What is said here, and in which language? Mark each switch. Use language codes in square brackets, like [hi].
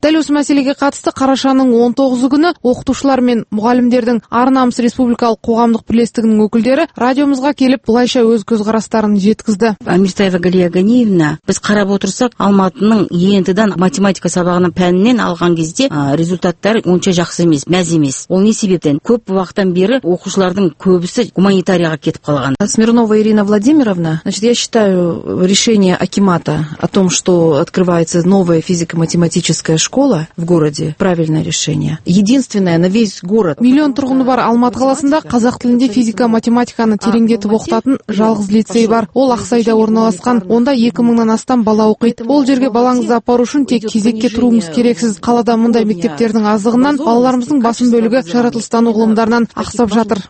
[kk] Дәл осы мәселеге қатысты қарашаның 19-ы күні оқытушылар мен мұғалімдердің Арнамыз республикалық қоғамдық бірлестігінің өкілдері радиомызға келіп, былайша өз көзқарастарын жеткізді. Амиртаева Галия Ганиевна, біз қарап отырсақ, Алматының ЕНТ-дан математика сабағының пәнінен алған кезде результаттар онша жақсы емес, мәз емес. Ол не себептен? Көп уақыттан бері себебі оқушылардың көбісі гуманитарияға кетіп қалған. [ru] Смирнова Ирина Владимировна, значит, я считаю решение акимата о том, что открывается новая физико-математическая школа в городе, правильное решение. Единственное на весь город. [kk] Миллион тұрғыны бар Алматы қаласында қазақ тілінде физика-математиканы тереңдетіп оқытатын жалғыз лицей бар. Ол Ақсайда орналасқан. Онда 2000-нан астам бала оқиды. Ол жерге балаңызды апару үшін тек кезекке тұруыңыз керексіз. Қалада мұндай мектептердің азығынан балаларымыздың басым бөлігі жаратылыстану ғылымдарынан ақсап жатыр.